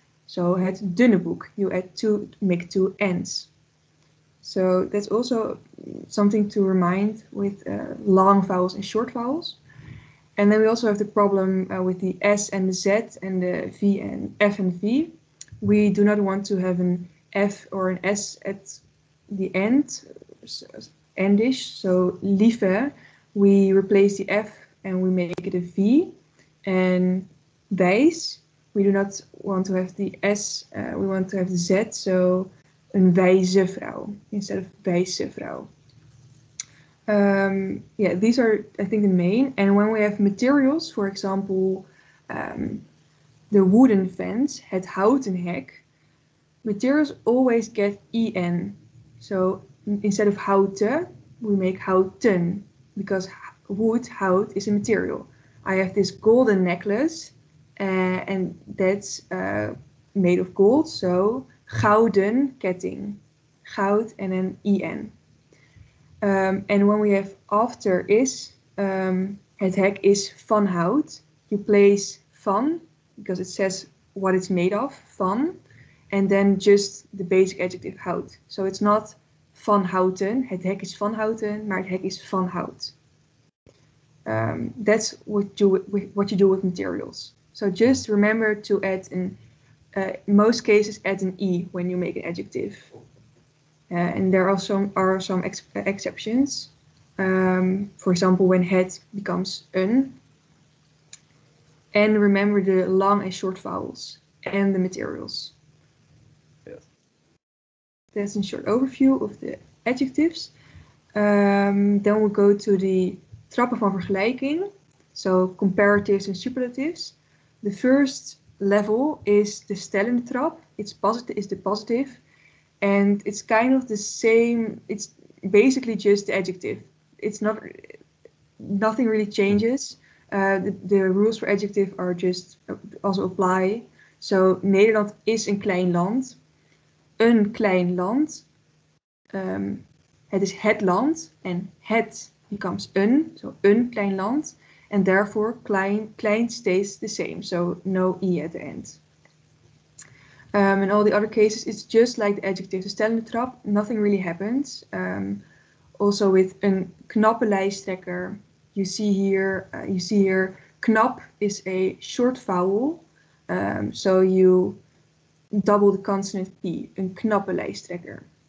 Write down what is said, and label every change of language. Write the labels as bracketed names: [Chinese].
[English] So [Dutch] het dunne boek, [English] you add two, make two N's. So that's also something to remind with long vowels and short vowels. And then we also have the problem with the S and the Z and the V and F and V. We do not want to have an F or an S at the end, endish. So lieve, we replace the F and we make it a V. And wijs, we do not want to have the S, we want to have the Z. So [Dutch] een wijze vrouw [English] instead of [Dutch] wijze vrouw. [English] Yeah, these are, I think, the main. And when we have materials, for example, the wooden fence, [Dutch] het houten hek, [English] materials always get en. So instead of houten, we make houten, because wood, hout, is a material. I have this golden necklace, and that's made of gold, so [Dutch] gouden ketting, [English] goud and then en. And when we have after is, [Dutch] het hek is van hout. [English] You place van, because it says what it's made of, van. And then just the basic adjective, hout. So it's not van houten, [Dutch] het hek is van houten, maar het hek is van hout. [English] That's what you do with materials. So just remember to add, in most cases, add an E when you make an adjective. And there are some exceptions. For example, when het becomes een. And remember the long and short vowels and the materials. Yes. That's a short overview of the adjectives. Then we'll go to the [Dutch] trappen van vergelijking. [English] So comparatives and superlatives. The first level is the stellende trap. It's positive, is the positive. And it's kind of the same, it's basically just the adjective. It's not, nothing really changes. The rules for adjective are just also apply. [Dutch] So Nederland is een klein land. Een klein land. Het is het land. And het becomes een, so een klein land. [English] And therefore klein stays the same. So no e at the end. In all the other cases, it's just like the adjective. The stellende trap, nothing really happens. Also with [Dutch] een knappe lijsttrekker, [English] you see here, knap is a short vowel. So you double the consonant P, [Dutch] een knappe lijsttrekker.